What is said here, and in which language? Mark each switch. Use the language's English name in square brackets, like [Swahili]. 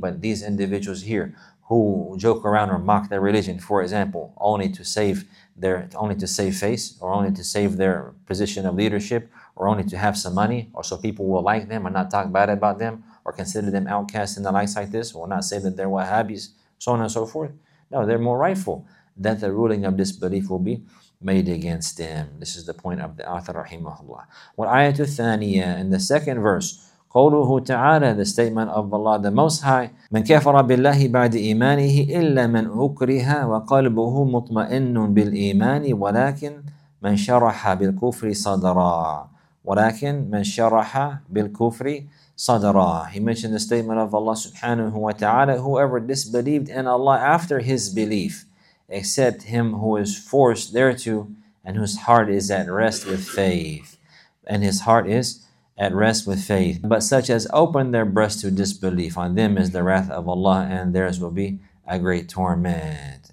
[English] But these individuals here who joke around or mock their religion, for example, only to save their, only to save face, or only to save their position of leadership, or only to have some money, or so people will like them and not talk bad about them, or consider them outcasts and the likes like this, will not say that they're Wahhabis, so on and so forth. No, they're more rightful that the ruling of disbelief will be made against them. This is the point of the author, rahimahullah. [Arabic] Well, ayatul thaniya, [English] in the second verse, [Arabic] قَوْلُهُ تَعَالَى, [English] the statement of Allah the Most High, [Arabic] مَنْ كَفَرَ بِاللَّهِ بَعْدِ إِيمَانِهِ إِلَّا مَنْ أُكْرِهَا وَقَلْبُهُ مُطْمَئِنٌ بِالْإِيمَانِ وَلَكِنْ مَنْ شَرَحَ بِالْكُفْرِ صَدْرًا وَلَكِنْ مَنْ شَرَحَ بِالْكُفْرِ صَدْرًا. [English] He mentioned the statement of Allah subhanahu wa ta'ala, whoever disbelieved in Allah after his belief, except him who is forced thereto and whose heart is at rest with faith. And his heart is at rest with faith. But such as open their breast to disbelief, on them is the wrath of Allah, and theirs will be a great torment.